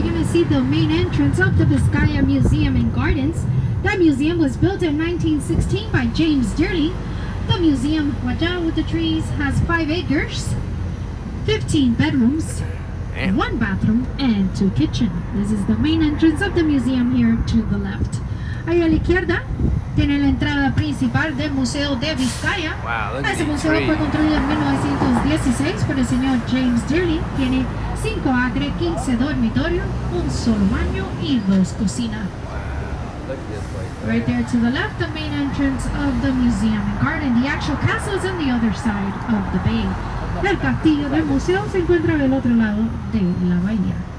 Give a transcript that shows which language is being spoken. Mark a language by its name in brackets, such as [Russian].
[English] See the main entrance of the Vizcaya Museum and Gardens. That museum was built in 1916 by James Dirty. The museum, watch out with the trees, has 5 acres, 15 bedrooms, damn, one bathroom, and 2 kitchens. This is the main entrance of the museum here to the left. [Spanish] Ahí a la izquierda tiene la entrada principal del Museo de Vizcaya. Wow, ese museo fue construido en 1916 por el señor James Dirty. Tiene 5 acres, 15 dormitorios, un solo baño y 2 cocinas. [English] Wow, look at this place. Right there to the left, the main entrance of the museum and garden. The actual castle is on the other side of the bay. [Spanish] El castillo del museo se encuentra del otro lado de la bahía.